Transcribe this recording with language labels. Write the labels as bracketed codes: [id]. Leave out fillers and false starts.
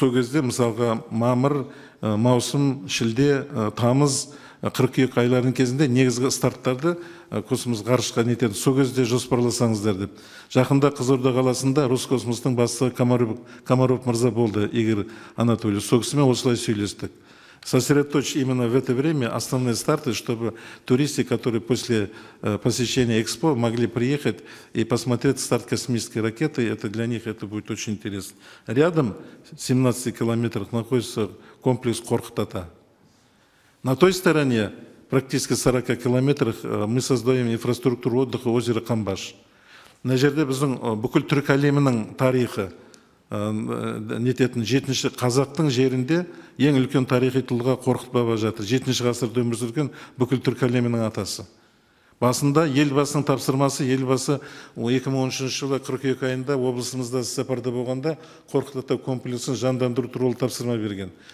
[kk] Сол кезде мысалға мамыр, маусым, шілде, тамыз, қыркүйек айларының кезінде негізгі старттарды космос ғарышқа нетеді. Сол кезде жоспарласаңыздар деп. Жақында Қызылорда қаласында Роскосмостың бастығы Комаров мырза болды, Игорь Анатольевич. Сол кісімен осылай сөйлестік. [ru] Сосредоточь именно в это время основные старты, чтобы туристы, которые после посещения Экспо могли приехать и посмотреть старт космической ракеты, это для них это будет очень интересно. Рядом, в 17 километрах, находится комплекс Корхтата. На той стороне, практически в 40 километрах, мы создаем инфраструктуру отдыха озера Камбаш. [kk] На жерде біздің бүкіл түрік әлемінің тарихы, нететін 7-ші қазақтың жерінде ең үлкен тарихи тұлға Қорқыт баба жатыр. 7-ші ғасырда өмір сүрген бүкіл түркі әлемінің атасы. Басында елбасының тапсырмасы, елбасы 2013 жылы 42 айында облысымызда сапарда болғанда Қорқыт ата комплексін жандандыру туралы тапсырма берген.